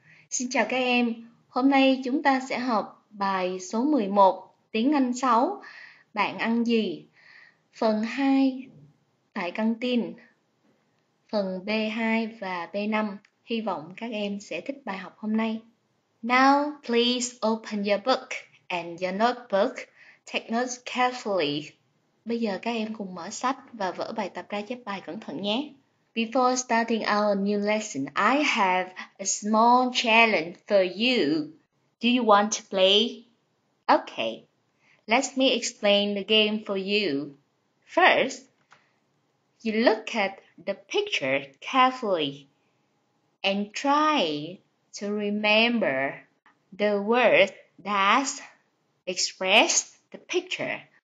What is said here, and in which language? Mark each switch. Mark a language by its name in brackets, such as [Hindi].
[Vietnamese] Xin chào các em, hôm nay chúng ta sẽ học bài số 11, Tiếng Anh 6, Bạn Ăn Gì? Phần 2, Tại Canteen. Phần B2 và B5. Hy vọng các em sẽ thích bài học hôm nay. [English] Now, please open your book and your notebook. Take notes carefully. [Vietnamese] Bây giờ các em cùng mở sách và vỡ bài tập ra chép bài cẩn thận nhé. [English] Before starting our new lesson, I have a small challenge for you. Do you want to play? Okay, let me explain the game for you. First, you look at the picture carefully and try to remember the word that expressed the picture.